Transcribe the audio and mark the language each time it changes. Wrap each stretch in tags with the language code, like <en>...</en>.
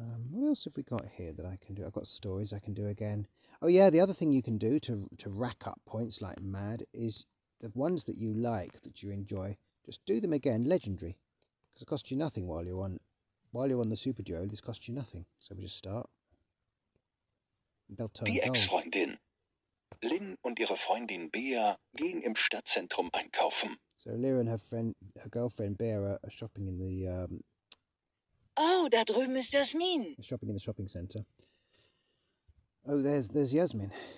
<en>What else have we got here that I can do? I've got stories I can do again. Oh yeah, the other thing you can do to rack up points like mad is the ones that you like, that you enjoy, just do them again, legendary. Because it costs you nothing while you're on the Super Duo, this costs you nothing. So we just start. They'll turn gold.</en> <de>Die Ex-Freundin. Lynn und ihre Freundin Bea gehen im Stadtzentrum einkaufen.</de> <en>So Lyra and her girlfriend Bea are shopping in the...</en> <de>Oh, da drüben ist Jasmin.</de> <en>Shopping in the shopping center. Oh, there's Yasmin.</en>